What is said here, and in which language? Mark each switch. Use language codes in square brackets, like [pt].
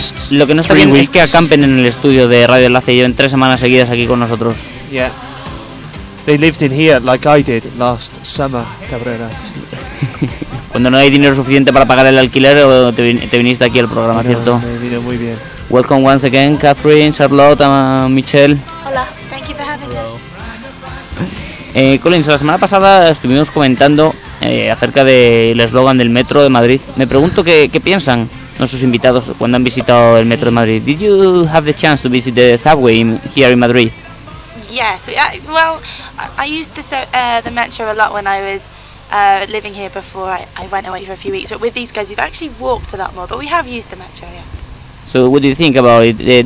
[es] Lo que no está bien es que acampen en el estudio de Radio Enlace y lleven tres semanas seguidas aquí con nosotros. [en] Yeah. They lived in here like I did last summer, cabreras. [es] Cuando no hay dinero suficiente para pagar el alquiler, te viniste aquí al programa, no, ¿cierto? Me vino muy bien. [en] Welcome once again, Catherine, Charlotte, Michelle. [es] Hola, [en] thank you for having me. [es] Collins, la semana pasada estuvimos comentando acerca del eslogan del Metro de Madrid. Me pregunto qué piensan nuestros invitados cuando han visitado el Metro de Madrid. [en] Did you have the chance to visit the subway here in Madrid? Yes, I used the Metro a lot when I was living here before I went away for a few weeks, but with these guys we've actually walked a lot more, but we have used the Metro, yeah. So what do you think about it?